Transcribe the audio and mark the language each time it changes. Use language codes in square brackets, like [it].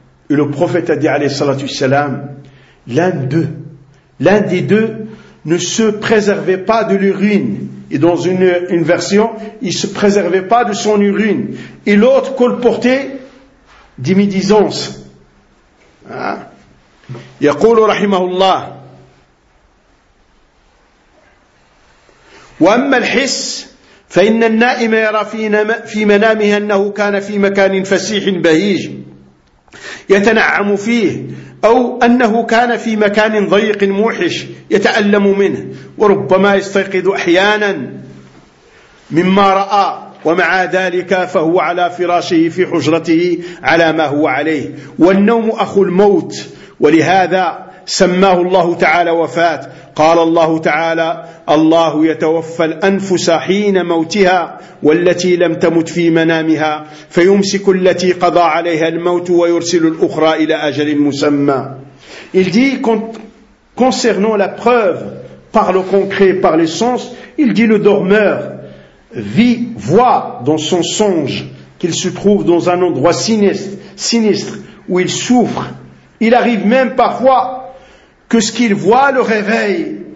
[fr] Et le prophète a dit [ar] alayhi sallatu wassalam, [fr] l'un des deux ne se préservait pas de l'urine. Et dans une version, il se préservait pas de son urine. Et l'autre colportait d'immédisance. [ar] يقول رحمه الله وأما الحس فإن النائم يرى في منامه أنه كان في مكان فسيح بهيج يتنعم فيه أو أنه كان في مكان ضيق موحش يتألم منه وربما يستيقظ أحيانا مما رأى ومع ذلك فهو على فراشه في حجرته على ما هو عليه والنوم أخو الموت ولهذا سماه الله تعالى وفاة. قال الله تعالى: الله يتوفى الأنفس حين موتها والتي لم تمت في منامها، فيمسك التي قضى عليها الموت ويرسل الأخرى إلى أجل مسمى. [fr] Il dit concernant la preuve par le concret, par les sens, il dit: le dormeur voit dans son songe qu'il se trouve dans un endroit sinistre où il souffre. Il arrive même parfois que ce qu'il voit le réveille.